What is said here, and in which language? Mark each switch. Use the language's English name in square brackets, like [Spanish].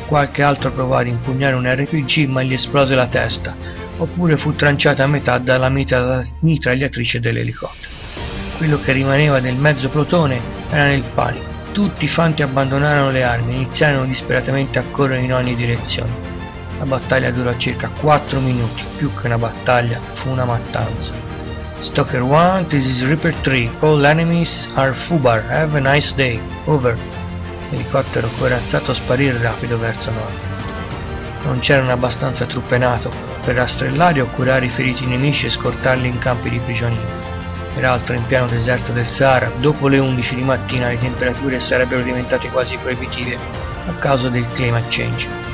[Italian] Qualche altro provò ad impugnare un RPG ma gli esplose la testa, oppure fu tranciata a metà dalla mitragliatrice dell'elicottero. Quello che rimaneva del mezzo plotone era nel panico. Tutti i fanti abbandonarono le armi e iniziarono disperatamente a correre in ogni direzione. La battaglia durò circa 4 minuti, più che una battaglia, fu una mattanza. [English] Stalker 1, this is Reaper 3, all enemies are FUBAR, have a nice day, over. [Italian] L'elicottero corazzato sparì rapido verso nord. Non c'erano abbastanza truppe NATO per rastrellare o curare i feriti nemici e scortarli in campi di prigionia. Peraltro in pieno deserto del Sahara, dopo le 11 di mattina le temperature sarebbero diventate quasi proibitive a causa del climate change.